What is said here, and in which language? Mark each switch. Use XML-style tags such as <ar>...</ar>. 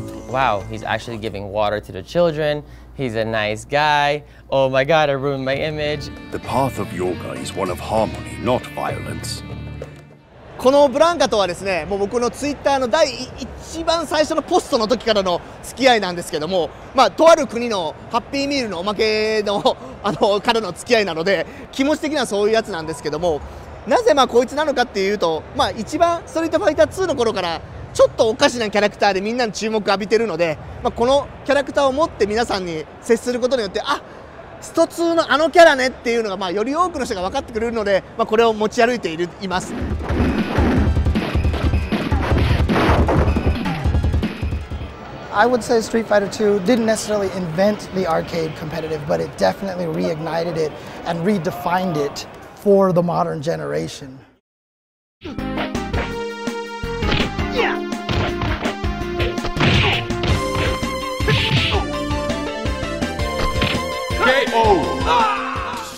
<en>Wow, he's actually giving water to the children. He's a nice guy. Oh my god, I ruined my image. The path of yoga is one of harmony, not violence.</en> <ja>このブランカとはですね、もう僕のツイッターの第一番最初のポストの時からの付き合いなんですけども、まあとある国のハッピーミールのおまけのあの彼の付き合いなので、気持ち的にはそういうやつなんですけども、なぜまあこいつなのかっていうと、まあ一番ストリートファイター2の頃からちょっとおかしなキャラクターでみんなの注目を浴びてるので、まあ、このキャラクターを持って皆さんに接することによって、あ、スト2のあのキャラねっていうのが、まあより多くの人が分かってくれるので、まあ、これを持ち歩いている、います。</ja> <en>I would say Street Fighter II didn't necessarily invent the arcade competitive, but it definitely reignited it and redefined it for the modern generation. Yeah. K.O. Ah!</en>